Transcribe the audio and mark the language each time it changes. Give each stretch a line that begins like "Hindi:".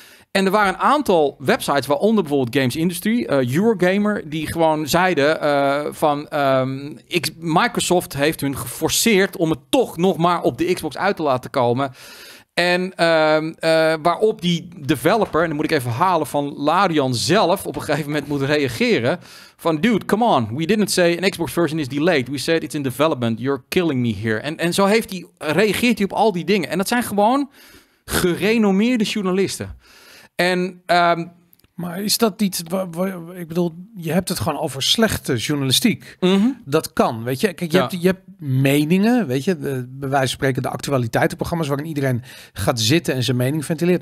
Dutch: En er waren een aantal websites, waaronder bijvoorbeeld Games Industry, Eurogamer, die gewoon zeiden van Microsoft heeft hun geforceerd om het toch nog maar op de Xbox uit te laten komen. En waarop die developer, en dan moet ik even halen van Larian zelf, op een gegeven moment moet reageren.
English: Van, dude, come on. We didn't say an Xbox version is delayed. We said it's in development. You're killing me here.
Dutch: En zo reageert hij op al die dingen. En dat zijn gewoon gerenommeerde journalisten. En... Maar is dat niet, ik bedoel, je hebt het gewoon over slechte journalistiek. Mm-hmm. Dat kan, weet je. Kijk, je hebt meningen, weet je. Bij wijze van spreken de actualiteitenprogramma's waarin iedereen gaat zitten en zijn mening ventileert.